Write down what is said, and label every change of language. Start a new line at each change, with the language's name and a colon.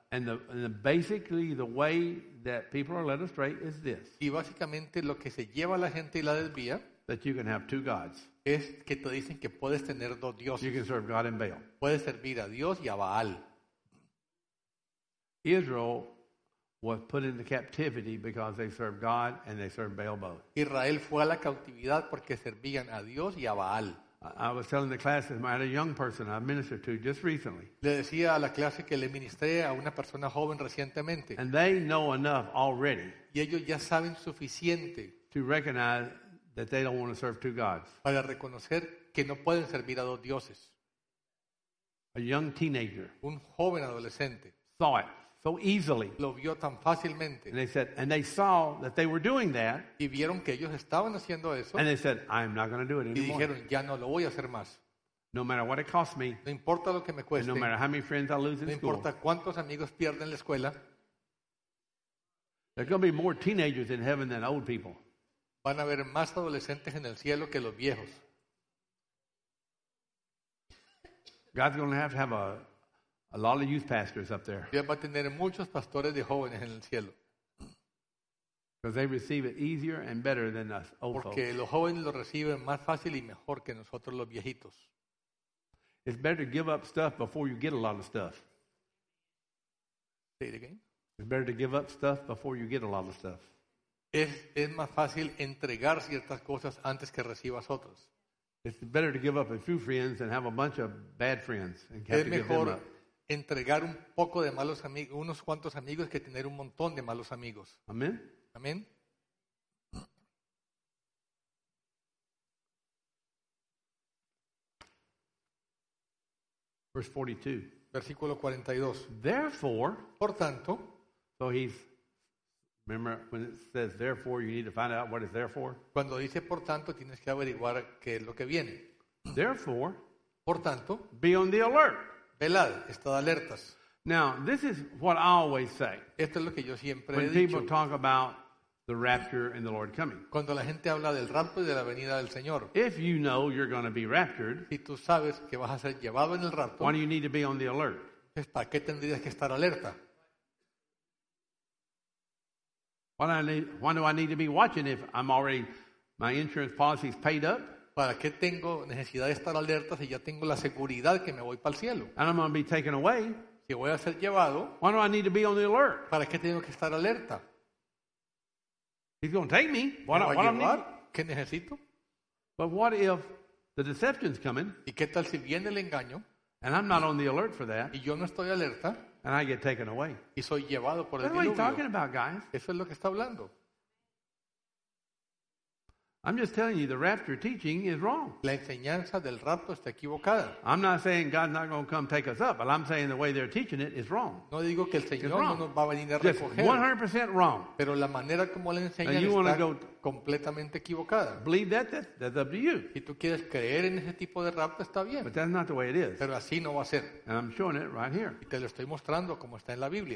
English: And basically the way that people are led astray is this.
Spanish: Y básicamente lo que se lleva a la gente y la desvía,
English: that you can have two gods.
Spanish: Es que te dicen que puedes tener dos dioses.
English: You can serve God and Baal.
Spanish: Puedes servir a Dios y a Baal.
English: Israel was put into captivity because they served God and they served Baal both.
Spanish: Israel fue a la cautividad porque servían a Dios y a Baal.
English: I was telling the classes, I had a young person I ministered to just recently.
Spanish: Le decía a la clase que le ministré a una persona joven recientemente.
English: And they know enough already.
Spanish: Y ellos ya saben suficiente.
English: To recognize that they don't want to serve two gods.
Spanish: Para reconocer que no pueden servir a dos dioses.
English: A young teenager.
Spanish: Un joven adolescente.
English: Saw it so easily.
Spanish: Lo vio tan fácilmente.
English: And they said, and they saw that they were doing that.
Spanish: Y vieron que ellos estaban haciendo eso.
English: And they said, I am not going to do it anymore.
Spanish: Y dijeron, ya no lo voy a hacer más.
English: No matter what it costs me.
Spanish: No importa lo que me cueste.
English: And no matter how many friends I lose in school.
Spanish: No importa cuántos amigos pierden la escuela.
English: There are going to be more teenagers in heaven than old people.
Spanish: Van a haber más adolescentes en el cielo que los viejos.
English: God's going to have a lot of youth pastors up there.
Spanish: Dios va a tener muchos pastores de jóvenes en el cielo.
English: Because they receive it easier and better than us old folks.
Spanish: Porque los jóvenes lo reciben más fácil y mejor que nosotros los viejitos.
English: It's better to give up stuff before you get a lot of stuff. Say it again. It's better to give up stuff before you get a lot of stuff.
Spanish: Es más fácil entregar ciertas cosas antes que recibas otras.
English: It's better to give up a few friends than have a bunch of bad friends and have to give them up.
Spanish: Entregar un poco de malos amigos, unos cuantos amigos, que tener un montón de malos amigos.
English: Amén.
Spanish: Amén.
English: Verse 42.
Spanish: Versículo 42.
English: Therefore,
Spanish: por tanto,
English: so he's, remember when it says therefore, you need to find out what is therefore.
Spanish: Cuando dice por tanto, tienes que averiguar qué es lo que viene.
English: Therefore,
Spanish: por tanto,
English: be on the alert.
Spanish: Velad, estad alertas.
English: Now, this is what I always say.
Spanish: Esto es lo que yo siempre
English: when
Spanish: he dicho.
English: When people talk about the rapture and the Lord coming.
Spanish: Cuando la gente habla del rapto y de la venida del Señor.
English: If you know you're going to be raptured,
Spanish: si tú sabes que vas a ser llevado en el rapto,
English: why do you need to be on the alert?
Spanish: Pues, ¿para qué tendrías que estar alerta?
English: Why do I need to be watching if I'm already, my insurance policy is paid up?
Spanish: ¿Para qué tengo necesidad de estar alerta si ya tengo la seguridad que me voy para el cielo?
English: And I'm going to be taken away.
Spanish: Si voy a ser llevado.
English: Why do I need to be on the alert?
Spanish: ¿Para qué tengo que estar alerta?
English: He's going to take me.
Spanish: ¿Qué necesito?
English: But what if the deception's coming?
Spanish: ¿Y qué tal si viene el engaño?
English: And I'm not on the alert for that.
Spanish: Y yo no estoy alerta.
English: And I get taken away.
Spanish: Y soy llevado por el
English: diluvio. What are you talking about, guys?
Spanish: Eso es lo que está hablando.
English: I'm just telling you the rapture teaching is wrong.
Spanish: La enseñanza del rapto está equivocada.
English: I'm not saying God's not going to come take us up, but I'm saying the way they're teaching it is wrong.
Spanish: No digo que el Señor no nos va a venir a recoger.
English: Just 100% wrong.
Spanish: Pero la manera como la enseñan está completamente equivocada.
English: Believe that's up to you.
Spanish: Si tú quieres creer en ese tipo de rapto, está bien.
English: But that's not the way it is.
Spanish: Pero así no va a ser.
English: And I'm showing it right here.
Spanish: Y te lo estoy mostrando como está en la Biblia.